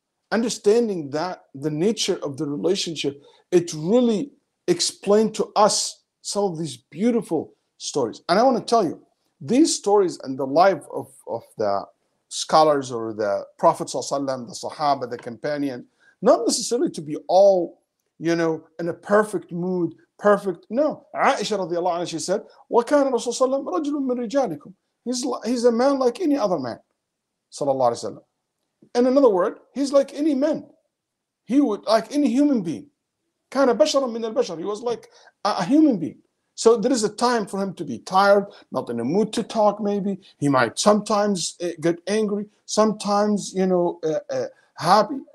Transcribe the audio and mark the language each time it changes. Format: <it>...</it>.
<en>Understanding that the nature of the relationship, it really explained to us some of these beautiful stories. And I want to tell you, these stories and the life of the scholars or the Prophet ﷺ, the Sahaba, the companion, not necessarily to be all, you know, in a perfect mood, perfect. No, Aisha radiallahu anha, she said,</en> <ar>وَكَانَ رَسُولُ صَلَّى اللَّهُ عَلَيْهِ وَسَلَّمَ رَجُلٌ مِنْ رِجَالِكُمْ.</ar> <en>He's a man like any other man, sallallahu alayhi wa sallam. In another word, he's like any man. He would, like any human being.</en> <ar>كَانَ بَشَرًا مِنَ الْبَشَرِ.</ar> <en>He was like a human being. So there is a time for him to be tired, not in a mood to talk maybe. He might sometimes get angry, sometimes, you know, happy.</en>